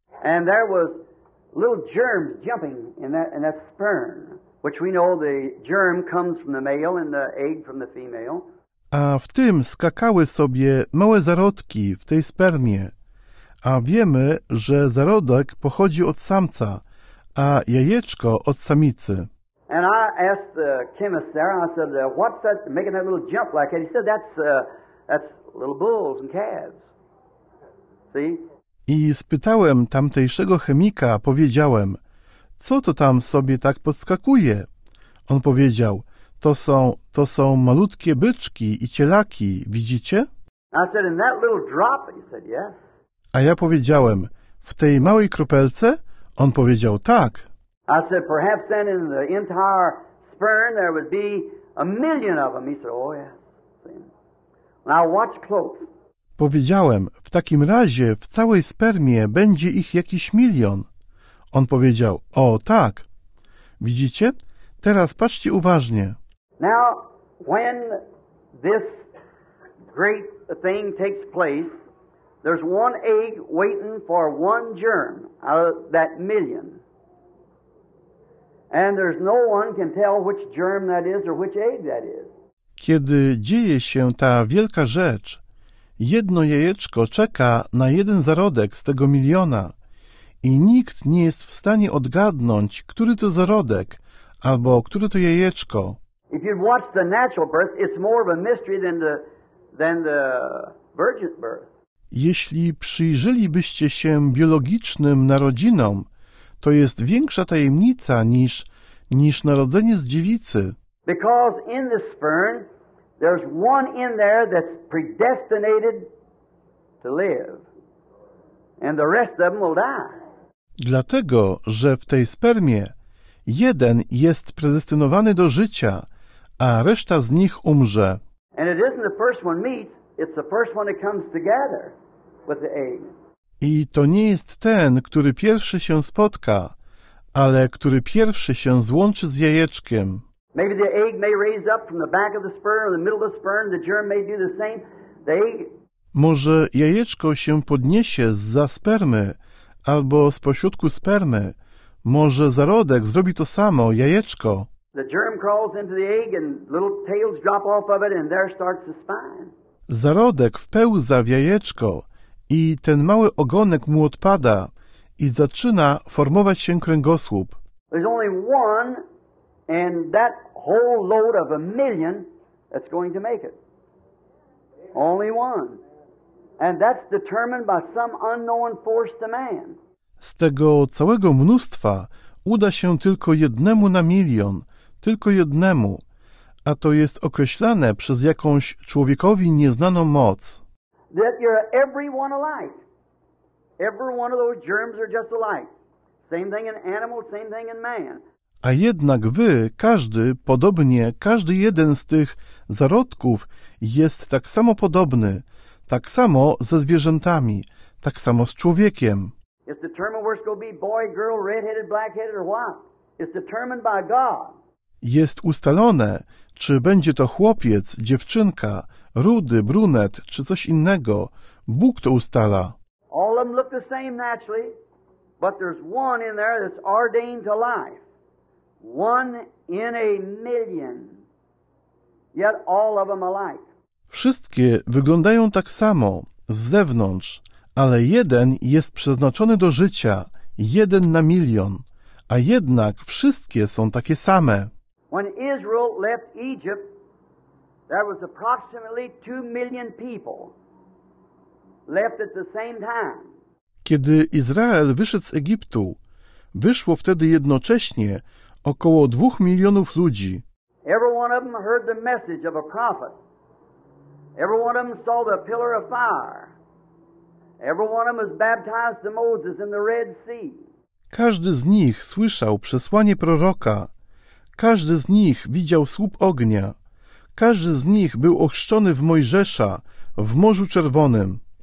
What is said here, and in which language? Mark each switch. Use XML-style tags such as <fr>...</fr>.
<en>And there was little germs jumping in that sperm, which we know the germ comes from the male and the egg from the female.</en> <pl>A w tym skakały sobie małe zarodki w tej spermie, a wiemy, że zarodek pochodzi od samca, a jajeczko od samicy.</pl> <en>And I asked the chemist there, I said, what's that making that little jump like that? He said, that's little bulls and calves. See?</en> <pl>I spytałem tamtejszego chemika, powiedziałem, co to tam sobie tak podskakuje? On powiedział, to są malutkie byczki i cielaki, widzicie?</pl> <en>I said, in that little drop? He said, yes.</en> <pl>A ja powiedziałem, w tej małej kropelce? On powiedział, tak.</pl> <en>I said, perhaps then in the entire sperm there would be a million of them. He said, oh yes. Now watch close.</en> <pl>Powiedziałem, w takim razie w całej spermie będzie ich jakiś milion. On powiedział, o tak. Widzicie? Teraz patrzcie uważnie.</pl> <en>Now, when this great thing takes place, there's one egg waiting for one germ out of that million. And there's no one can tell which germ that is or which egg that is.</en> <pl>Kiedy dzieje się ta wielka rzecz, jedno jajeczko czeka na jeden zarodek z tego miliona i nikt nie jest w stanie odgadnąć, który to zarodek albo które to jajeczko.</pl> <en>If you watch the natural birth, it's more of a mystery than the virgin birth.</en> <pl>Jeśli przyjrzelibyście się biologicznym narodzinom, to jest większa tajemnica niż narodzenie z dziewicy.</pl> <en>Because in the sperm there's one in there that's predestined to live, and the rest of them will die.</en> <pl>Dlatego, że w tej spermie jeden jest predestynowany do życia, a reszta z nich umrze.</pl> <en>And it isn't the first one meets, it's the first one that comes together with the egg.</en> <pl>I to nie jest ten, który pierwszy się spotka, ale który pierwszy się złączy z jajeczkiem.</pl> <en>Maybe the egg may raise up from the back of the sperm or the middle of the sperm, the germ may do the same. The egg...</en> <pl>Może jajeczko się podniesie zza spermy albo z pośrodku spermy. Może zarodek zrobi to samo, jajeczko.</pl> <en>The germ crawls into the egg and little tails drop off of it and there starts the spine.</en> <pl>Zarodek wpełza w jajeczko. I ten mały ogonek mu odpada i zaczyna formować się kręgosłup.</pl> <en>There's only one, and that whole load of a million that's going to make it. Only one. And that's determined by some unknown force to man.</en> <pl>Z tego całego mnóstwa uda się tylko jednemu na milion, tylko jednemu, a to jest określane przez jakąś człowiekowi nieznaną moc.</pl> <en>That you're every one alike. Every one of those germs are just alike. Same thing in animal, same thing in man.</en> <pl>A jednak wy, każdy, podobnie, każdy jeden z tych zarodków jest tak samo podobny, tak samo ze zwierzętami, tak samo z człowiekiem.</pl> <en>It's determined where it's going to be, boy, girl, red-headed, black-headed, or what? It's determined by God.</en> <pl>Jest ustalone, czy będzie to chłopiec, dziewczynka, rudy, brunet, czy coś innego. Bóg to ustala.</pl> <en>All of them look the same naturally, but there's one in there that's ordained to life. One in a million. Yet all of them alike.</en> <pl>Wszystkie wyglądają tak samo, z zewnątrz, ale jeden jest przeznaczony do życia, jeden na milion. A jednak wszystkie są takie same.</pl> <en>When Israel left Egypt, there was approximately 2 million people left at the same time.</en> <pl>Kiedy Izrael wyszedł z Egiptu, wyszło wtedy jednocześnie około 2 milionów ludzi.</pl> <en>Every one of them heard the message of a prophet. Every one of them saw the pillar of fire. Every one of them was baptized to Moses in the Red Sea.</en> <pl>Każdy z nich słyszał przesłanie proroka. Każdy z nich widział słup ognia. Każdy z nich był ochrzczony w Mojżesza, w Morzu Czerwonym.</pl>